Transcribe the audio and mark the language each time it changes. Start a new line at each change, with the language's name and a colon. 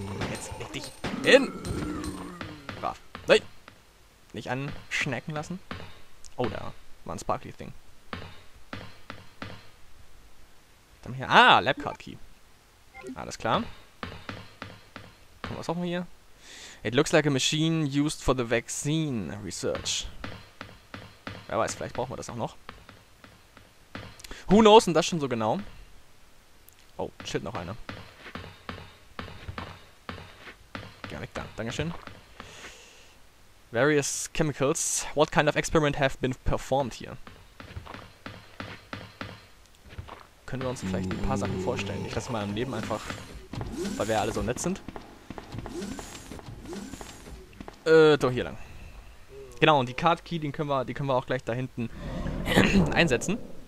German: Jetzt leg dich hin! Brav. Nein! Nicht anschnecken lassen. Oh, da war ein
English: sparkly Thing.
German: Dann hier. Ah, Labcard Key. Alles klar. Komm, was brauchen wir hier?
English: It looks like a machine used for the vaccine research.
German: Wer weiß, vielleicht brauchen wir das auch noch.
English: Who knows,
German: und das schon so genau. Oh, shit, noch eine. Ja, weg da. Dankeschön.
English: Various chemicals. What kind of experiment have been performed here?
German: Können wir uns vielleicht ein paar Sachen vorstellen? Ich lasse mal im Leben einfach, weil wir ja alle so nett sind. Doch hier lang. Genau, und die Card Key, den können wir auch gleich da hinten einsetzen.